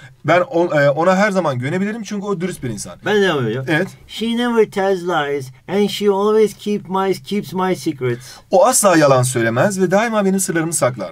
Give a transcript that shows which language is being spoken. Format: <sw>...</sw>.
<tr>Ben ona her zaman güvenebilirim çünkü o dürüst bir insan. Ben devam ediyorum. Evet.</tr> <en>She never tells lies and she always keeps my secrets.</en> <tr>O asla yalan söylemez ve daima benim sırlarımı saklar.</tr>